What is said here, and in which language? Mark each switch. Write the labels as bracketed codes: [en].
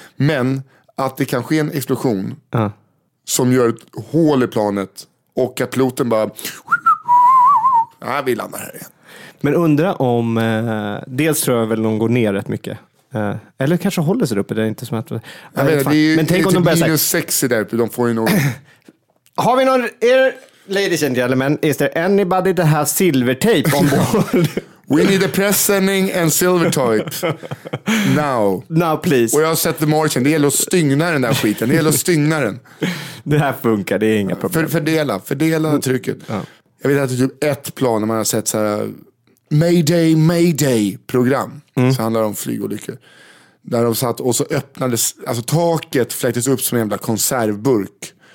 [sv] Men att det kan ske en explosion som gör ett hål i planet och att piloten bara, ja, vi landar här igen. Men undra om, dels tror jag väl de går ner rätt mycket. Eller kanske håller sig uppe, det är inte som att... Men tänk om de börjar minus 6 där uppe, de får ju någon... Har vi någon, [en] ladies and gentlemen, is there anybody that has silver tape on board? We need a press sending and silver type. Now please. [sv] Och jag har sett The Martian. Det gäller att stygna den där skiten. Det gäller att stygna den. Det här funkar, det är inga problem. Fördela trycket. Ja. Jag vet att det är typ ett plan när man har sett så här Mayday, Mayday-program. Mm. Så handlar det om flygolyckor. där de satt och så öppnades, alltså taket fläktes upp som en jävla konservburk.